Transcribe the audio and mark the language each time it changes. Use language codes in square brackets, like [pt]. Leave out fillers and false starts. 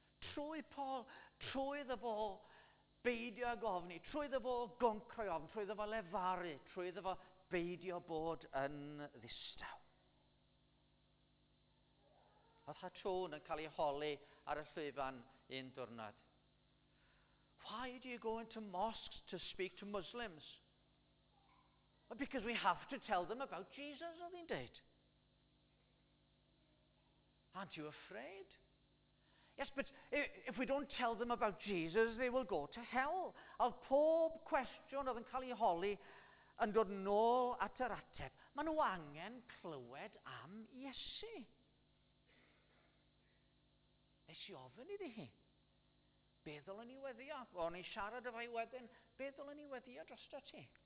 [cy] Trwy Paul, trwy ddo fo beidio ag ofni, trwy ddo fo goncro i ofni, trwy ddo fo lefaru, trwy ddo fo beidio bod yn ddistaw. Oedd Hatrwn yn cael ei holi ar y llwyfan un diwrnod. [en] Why do you go into mosques to speak to Muslims? Well, because we have to tell them about Jesus, [cy] oedd hi'n deud. [en] Aren't you afraid? Yes, but if we don't tell them about Jesus, they will go to hell. [cy] Oedd pob cwestiwn oedd yn cael ei holi yn dod nôl at yr ateb. Maen nhw angen clywed am Iesu. Nes i ofyn iddi hi. Be ddylwn ni weddio? O'n i siarad efo'i wedyn. Be ddylwn ni weddio dros da ti?